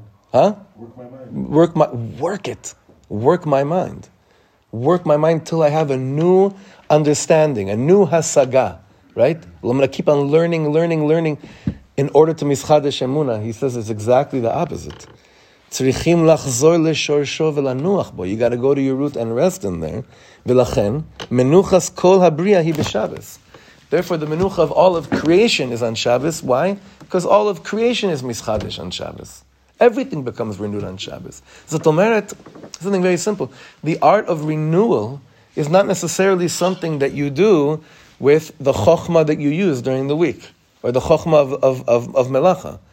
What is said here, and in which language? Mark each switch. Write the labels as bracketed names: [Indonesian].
[English] Work my mind till I have a new understanding, a new hasaga, right? Well, I'm going to keep on learning in order to mischadesh emuna. He says it's exactly the opposite. [Hebrew] צריכים לחזור לשורשו ולנוח בו. [English] You got to go to your root and rest in there. [Hebrew] ולכן, מנוחס כל הבריאה היא בשבס. [English] Therefore, the menucha of all of creation is on Shabbos. Why? Because all of creation is mischadish on Shabbos. Everything becomes renewed on Shabbos. [Hebrew] Zot omeret, [English] something very simple. The art of renewal is not necessarily something that you do with the chokhmah that you use during the week, or the chokhmah of melacha.